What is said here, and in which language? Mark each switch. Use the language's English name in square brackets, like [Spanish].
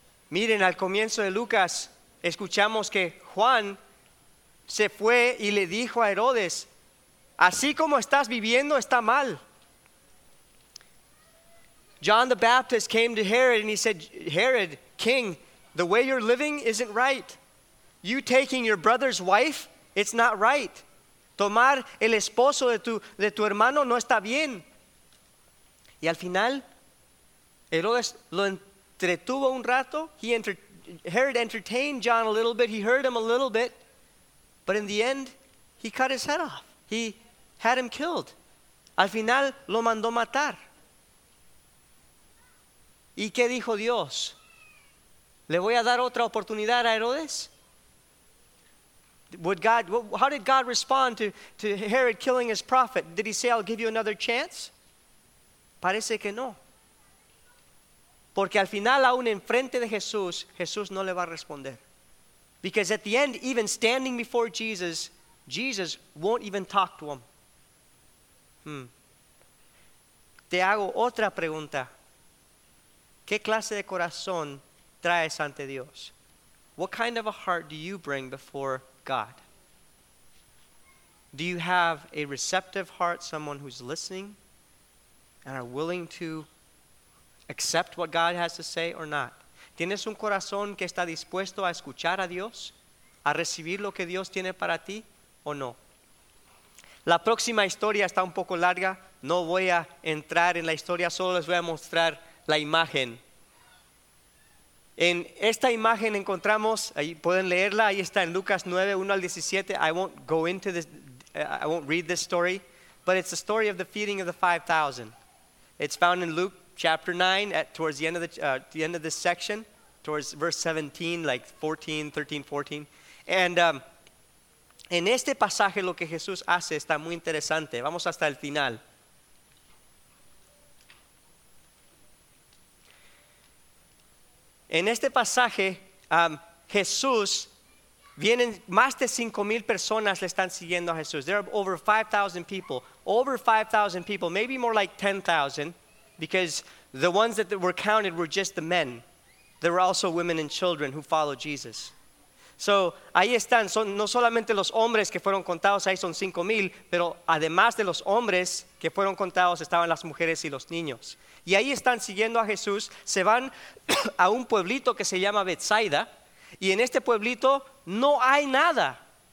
[Spanish] Miren, al comienzo de Lucas, escuchamos que Juan se fue y le dijo a Herodes, así como estás viviendo, está mal. [English] John the Baptist came to Herod and he said, Herod, king, The way you're living isn't right. You taking your brother's wife, it's not right. [Spanish] Tomar el esposo de tu hermano no está bien. Y al final, Herodes lo entretuvo un rato. [English] Herod entertained John a little bit. He heard him a little bit. But in the end, he cut his head off. He had him killed. [Spanish] Al final, lo mandó matar. ¿Y qué dijo Dios? ¿Le voy a dar otra oportunidad a Herodes? [English] How did God respond to Herod killing his prophet? Did he say, I'll give you another chance? [Spanish] Parece que no. Porque al final, aún enfrente de Jesús, Jesús no le va a responder. [English] Because at the end, even standing before Jesus, Jesus won't even talk to him. [Spanish] Te hago otra pregunta. ¿Qué clase de corazón traes ante Dios? [English] What kind of a heart do you bring before God? Do you have a receptive heart, someone who's listening and are willing to accept what God has to say or not? [Spanish] ¿Tienes un corazón que está dispuesto a escuchar a Dios, a recibir lo que Dios tiene para ti o no? La próxima historia está un poco larga. No voy a entrar en la historia, solo les voy a mostrar la imagen. En esta imagen encontramos, ahí pueden leerla, ahí está en Lucas 9, 1 al 17. [English] I won't read this story, but it's the story of the feeding of the 5,000. It's found in Luke chapter 9, towards the end of this section, towards verse 17, like 14, 13, 14. [Spanish] And en este pasaje lo que Jesús hace está muy interesante. Vamos hasta el final. En este pasaje, Jesús, vienen más de 5,000 personas le están siguiendo a Jesús. [English] There are over 5,000 people. Over 5,000 people, maybe more like 10,000, because the ones that were counted were just the men. There were also women and children who followed Jesus. [Spanish] So, ahí están, son no solamente los hombres que fueron contados, ahí son 5,000, pero además de los hombres que fueron contados, estaban las mujeres y los niños. Y ahí están siguiendo a Jesús, se van a un pueblito que se llama Bethsaida, y en este pueblito no hay nada.